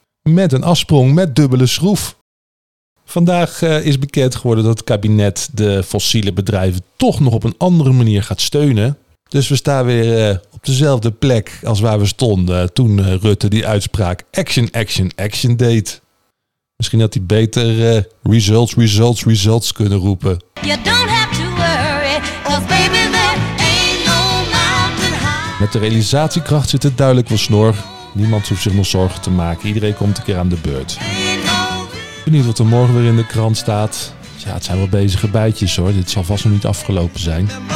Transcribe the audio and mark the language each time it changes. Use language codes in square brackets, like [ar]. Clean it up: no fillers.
[nl] Met een afsprong met dubbele schroef. Vandaag is bekend geworden dat het kabinet de fossiele bedrijven toch nog op een andere manier gaat steunen. Dus we staan weer op dezelfde plek als waar we stonden toen Rutte die uitspraak action deed. Misschien had hij beter results kunnen roepen. [en] You don't have to worry, 'cause baby there ain't no mountain high. [nl] Met de realisatiekracht zit het duidelijk wel snor. Niemand hoeft zich nog zorgen te maken. Iedereen komt een keer aan de beurt. Benieuwd wat er morgen weer in de krant staat. Ja, het zijn wel bezige bijtjes hoor. Dit zal vast nog niet afgelopen zijn.